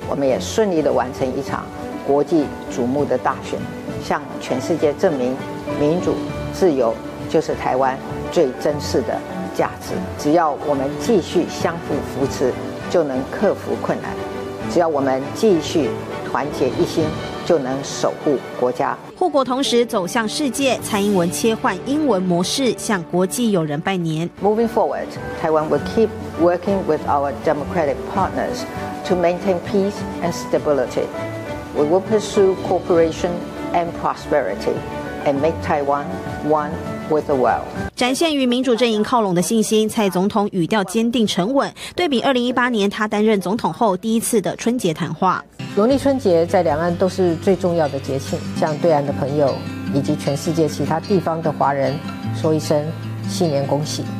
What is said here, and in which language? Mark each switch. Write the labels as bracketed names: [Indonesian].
[Chinese] 我们也顺利地完成一场国际瞩目的大选，向全世界证明，民主、自由就是台湾最珍视的价值。只要我们继续相互扶持，就能克服困难；只要我们继续团结一心，就能守护国家。护国同时走向世界，蔡英文切换英文模式向国际友人拜年。 [English] Moving forward, Taiwan will keep working with our democratic partners to maintain peace and stability. We will pursue cooperation and prosperity and make Taiwan one with the world. [Chinese] 展现与民主阵营靠拢的信心，蔡总统语调坚定沉稳，对比2018年他担任总统后第一次的春节谈话。农历春节在两岸都是最重要的节庆，向对岸的朋友以及全世界其他地方的华人说一声新年恭喜。